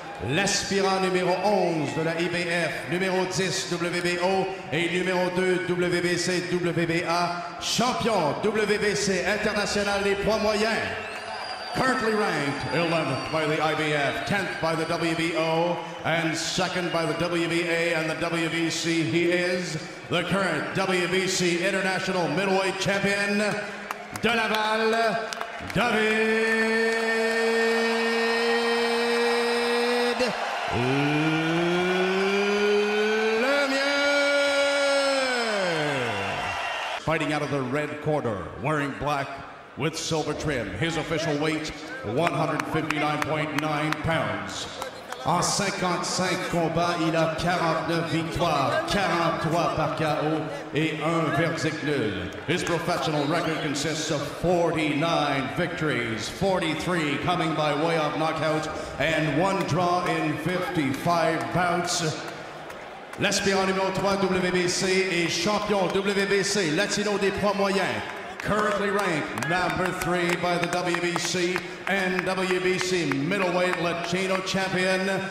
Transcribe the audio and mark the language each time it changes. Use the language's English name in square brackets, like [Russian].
[French] L'aspirant numéro 11 de la IBF, numéro 10 WBO et numéro 2 WBC WBA, champion WBC international des poids moyens. [English] Currently ranked 11th by the IBF, 10th by the WBO, and 2nd by the WBA and the WBC. He is the current WBC International Middleweight Champion, De Laval, David Lemieux. Fighting out of the red corner, wearing black, with silver trim. His official weight, 159.9 pounds. [French] En 55 combats, il a 49 victoires, 43 par KO et un verdict nul. [English] His professional record consists of 49 victories, 43 coming by way of knockout, and one draw in 55 bouts. [French] L'aspirant numéro 3 WBC et champion WBC latino des poids moyens. [English] Currently ranked number 3 by the WBC and WBC middleweight Latino champion.